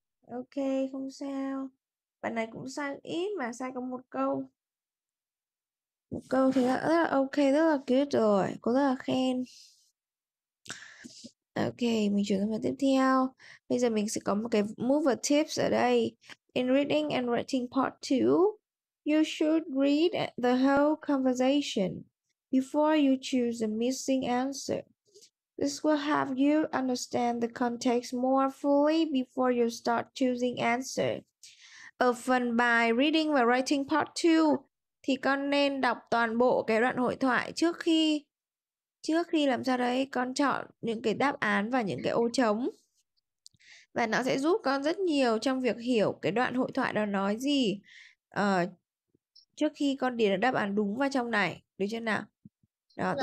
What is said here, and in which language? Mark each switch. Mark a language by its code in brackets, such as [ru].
[vi] Ok, không sao. Bạn này cũng sai ít mà sai có một câu. Một câu thì đã rất là ok, rất là good rồi. Cô rất là khen. Ok, mình chuyển sang phần tiếp theo. Bây giờ mình sẽ có một cái mover tips ở đây. [en] In reading and writing part 2, you should read the whole conversation before you choose the missing answer. This will help you understand the context more fully before you start choosing answer. [vi] Ở phần bài Reading và Writing Part 2 thì con nên đọc toàn bộ cái đoạn hội thoại trước khi làm sao đấy, con chọn những cái đáp án và những cái ô trống. Và nó sẽ giúp con rất nhiều trong việc hiểu cái đoạn hội thoại đó nói gì trước khi con điền đáp án đúng vào trong này. Được chưa nào? Đó, dạ.